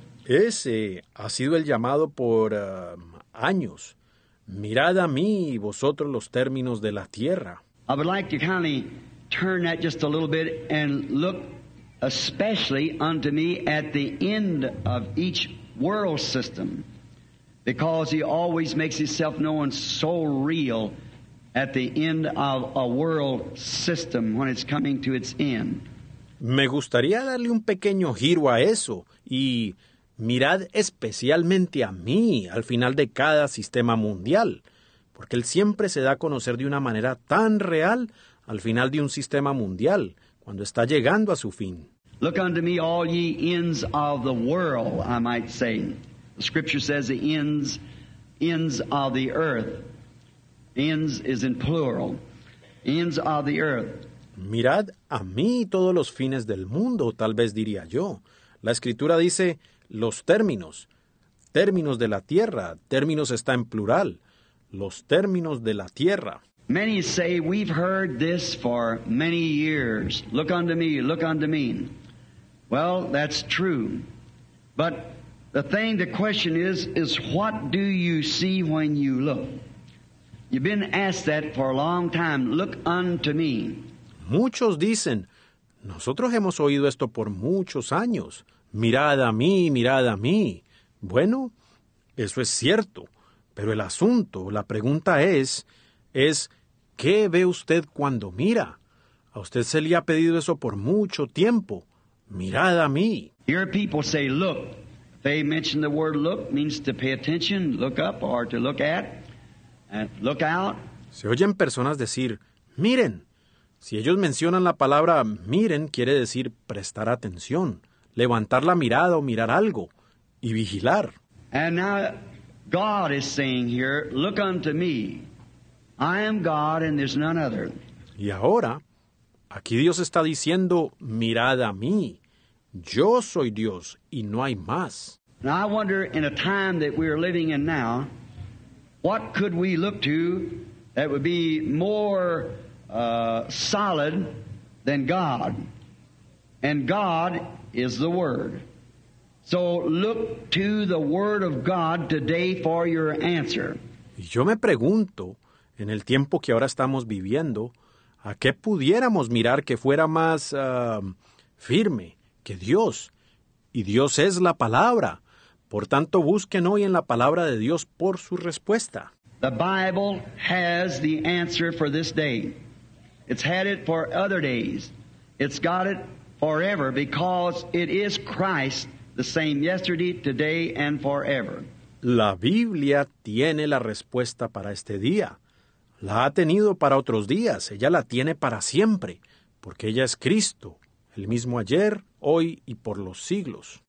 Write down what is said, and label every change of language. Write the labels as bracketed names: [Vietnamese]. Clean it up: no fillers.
[Spanish] Ese ha sido el llamado por años. Mirad a mí, vosotros los términos de la tierra. [English] I would like to kind of turn that just a little bit and look especially unto me at the end of each world system, because he always makes himself known so real at the end of a world system when it's coming to its end. [Spanish] Me gustaría darle un pequeño giro a eso y mirad especialmente a mí al final de cada sistema mundial, porque él siempre se da a conocer de una manera tan real al final de un sistema mundial, cuando está llegando a su fin. [English] Look unto me, all ye ends of the world, I might say. The scripture says the ends of the earth. Ends is in plural. Ends of the earth. [Spanish] Mirad a mí todos los fines del mundo, tal vez diría yo. La escritura dice los términos. Términos de la tierra. Términos está en plural. Los términos de la tierra. [English] Many say we've heard this for many years. Look unto me, look unto me. Well, that's true. But the thing, the question is what do you see when you look? You've been asked that for a long time. Look unto me. [Spanish] Muchos dicen, nosotros hemos oído esto por muchos años. Mirad a mí, mirad a mí. Bueno, eso es cierto. Pero el asunto, la pregunta es, ¿qué ve usted cuando mira? A usted se le ha pedido eso por mucho tiempo. Mirad a mí. [English] Your people say, look. They mention the word look, means to pay attention, look up, or to look at, and look out. [Spanish] Se oyen personas decir, miren. Si ellos mencionan la palabra miren, quiere decir prestar atención, levantar la mirada o mirar algo, y vigilar. [English] And now God is saying here, look unto me. I am God and there's none other. [Spanish] Y ahora, aquí Dios está diciendo, mirad a mí. Yo soy Dios y no hay más. [English] Now I wonder in a time that we are living in now, what could we look to that would be more solid than God? And God is the Word. So look to the Word of God today for your answer. [Spanish] Y yo me pregunto, en el tiempo que ahora estamos viviendo, ¿a qué pudiéramos mirar que fuera más firme que Dios? Y Dios es la palabra. Por tanto, busquen hoy en la palabra de Dios por su respuesta. [English] The Bible has the answer for this day. It's had it for other days. It's got it forever because it is Christ, the same yesterday, today, and forever. [Spanish] La Biblia tiene la respuesta para este día. La ha tenido para otros días. Ella la tiene para siempre, porque ella es Cristo, el mismo ayer, hoy y por los siglos.